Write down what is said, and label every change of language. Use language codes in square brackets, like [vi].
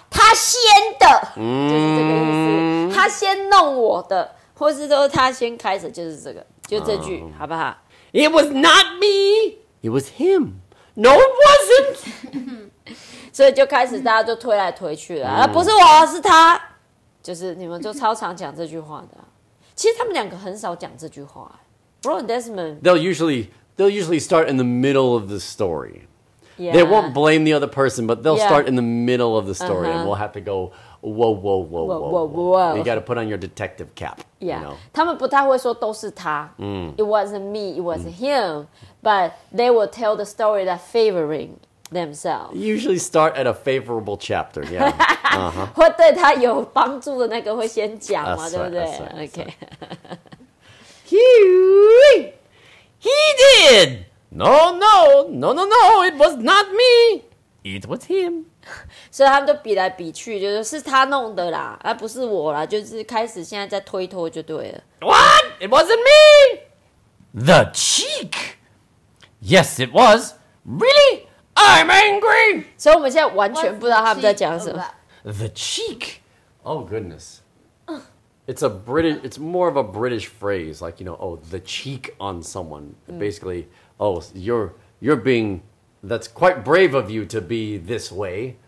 [zh] 他先的， mm. 就是这个意思。他先弄我的，或是说他先开始，就是这个，就这句， oh. 好不好 [en] ？It was not me. It was him. No, it wasn't. [zh] 所以就开始大家就推来推去了。Mm. 不是我，是他。就是你们就超常讲这句话的。其实他们两个很少讲这句话。 [en] Bro and Desmond. They'll usually start in the middle of the story.、 Yeah. They won't blame the other person, but they'll、yeah. start in the middle of the story、uh-huh. and we'll have to go, whoa, whoa, whoa, whoa, whoa, whoa. Whoa. You got to put on your detective cap. Yeah. You know? [zh] 他们不太会说都是他、 mm. [en] It wasn't me, it was、mm. him. But they will tell the story that favoring themselves. Usually start at a favorable chapter, yeah. [zh] 或对他有帮助的那个会先讲嘛、 [en] right, [zh] 对不对 [en] right, Okay. He did! No, it was not me! It was him! [zh] 所以他们就比来比去，就是他弄的啦，而不是我啦，就是开始现在在推脱就对了。 [en] What? It wasn't me! The cheek! Yes, it was! Really? I'm angry! [zh] 所以我们现在完全不知道他们在讲什么。 [en] The cheek! Oh, goodness. It's a British, it's more of a British phrase, like, you know, oh, the cheek on someone.、Mm. Basically, oh, you're being, that's quite brave of you to be this way.